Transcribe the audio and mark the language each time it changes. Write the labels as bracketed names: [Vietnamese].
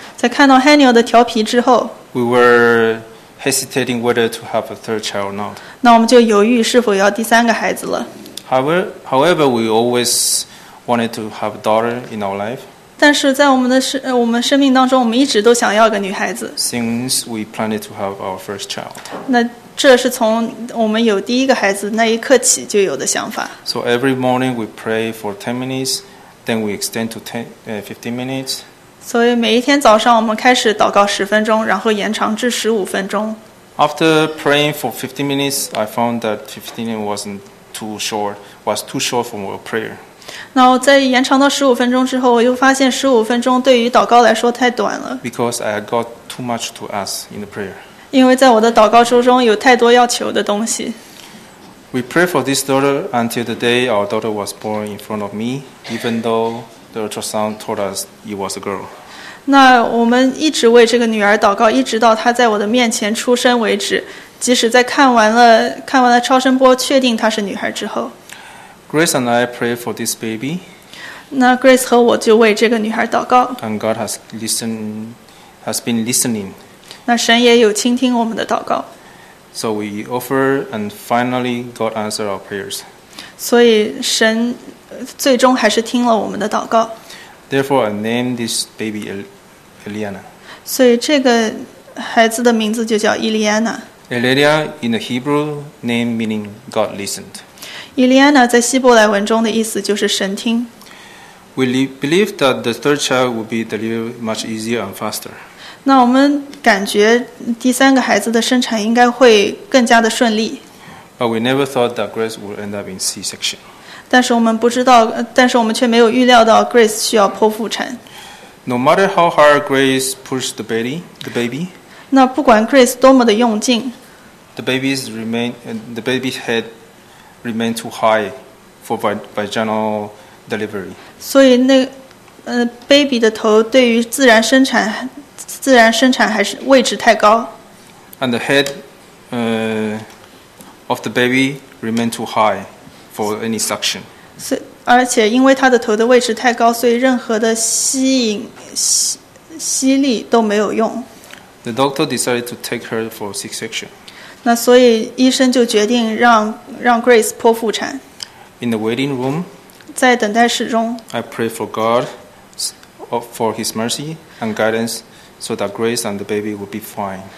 [Chinese] 在看到 Haniel 的调皮之后， [English] we were hesitating whether to have a third child or not. [Chinese] 那我们就犹豫是否要第三个孩子了。 [English] However, we always wanted to have a daughter in our life. [Chinese] 但是在我们生命当中，我们一直都想要个女孩子。 [English] Since we planned to have our first child. [Chinese] 那这是从我们有第一个孩子那一刻起就有的想法。 [English] So every morning we pray for 10 minutes, then we extend to 15 minutes. [Chinese] 所以每一天早上我们开始祷告十分钟，然后延长至十五分钟。 [English] After praying for 15 minutes, I found that 15 minutes was too short for my prayer. [Chinese] 那我在延长到十五分钟之后，我又发现十五分钟对于祷告来说太短了。 [English] Because I got too much to ask in the prayer. [Chinese] 因为在我的祷告书中有太多要求的东西。 [English] We prayed for this daughter until the day our daughter was born in front of me, even though the ultrasound told us it was a girl. [Chinese] 那我们一直为这个女儿祷告，一直到她在我的面前出生为止，即使在看完了超声波确定她是女孩之后。 [English] Grace and I pray for this baby. [Chinese] 那 Grace 和我就为这个女孩祷告。 [English] And God has been listening. [Chinese] 那神也有倾听我们的祷告。 [English] So we offer and finally God answered our prayers. [Chinese] 所以神最终还是听了我们的祷告。 [English] Therefore, I named this baby Eliana. [Chinese] 所以这个孩子的名字就叫 Eliana. [English] Eliana in the Hebrew name meaning God listened. [Chinese] Eliana 在希伯来文中的意思就是神听。 [English] We believe that the third child will be delivered much easier and faster. [Chinese] 那我们感觉第三个孩子的生产应该会更加的顺利。 [English] But we never thought that Grace would end up in C-section. [Chinese] 但是我们却没有预料到 Grace 需要剖腹产。 [English] No matter how hard Grace pushed the baby, [Chinese] 那不管 Grace 多么的用劲 [English] the baby's head remained too high for vaginal delivery. [Chinese] 所以那baby 的头对于自然生产还是位置太高。 [English] And the head of the baby remained too high. For any suction. [Chinese] 而且因为他的头的位置太高，所以任何的吸力都没有用。 [English] The doctor decided to take her for C-section. [Chinese] 那所以医生就决定让 Grace 剖腹产。 [English] In the waiting room. [Chinese] 在等待室中。 [English] I pray for God for His mercy and guidance so that Grace and the baby would be fine.